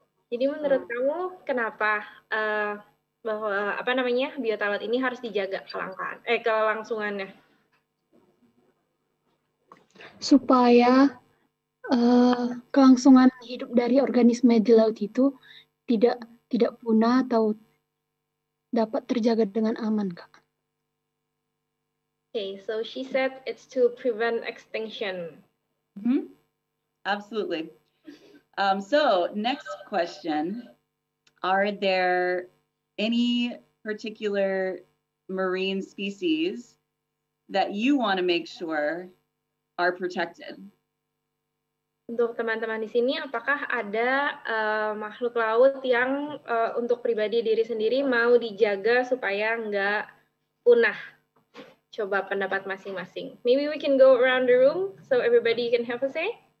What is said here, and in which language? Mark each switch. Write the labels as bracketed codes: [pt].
[id] Jadi menurut kamu kenapa bahwa biota laut ini harus dijaga kelangsungannya? Supaya kelangsungan hidup dari organisme di laut itu tidak punah atau dapat terjaga dengan aman, Kak. [en] Okay, so she said it's to prevent extinction. Hmm? Absolutely. So next question, are there any particular marine species that you want to make sure are protected? [id] Untuk teman-teman di sini, apakah ada makhluk laut yang untuk pribadi diri sendiri mau dijaga supaya nggak punah? Coba pendapat masing-masing. [en] Maybe we can go around the room so everybody can have a say.